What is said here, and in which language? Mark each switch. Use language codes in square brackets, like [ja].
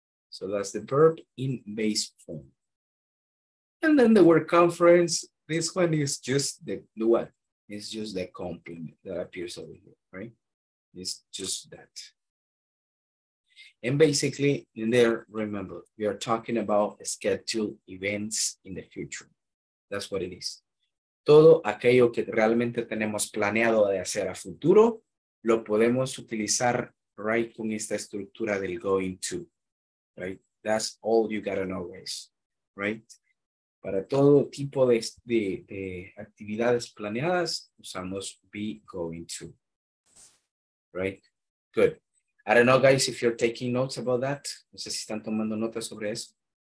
[en] So that's the verb in base form. And then the word conference, this one is just the what? It's just the complement that appears over here, right? It's just that. And basically in there, remember, we are talking about scheduled events in the future. That's what it is. [es] Todo aquello que realmente tenemos planeado de hacer a futuro, lo podemos utilizar, right, con esta estructura del going to, right? [en] That's all you gotta know, guys, right? [es] Para todo tipo de actividades planeadas, usamos [en] be going to. Right? Good. I don't know, guys, if you're taking notes about that. [es] No sé si están tomando notas sobre eso.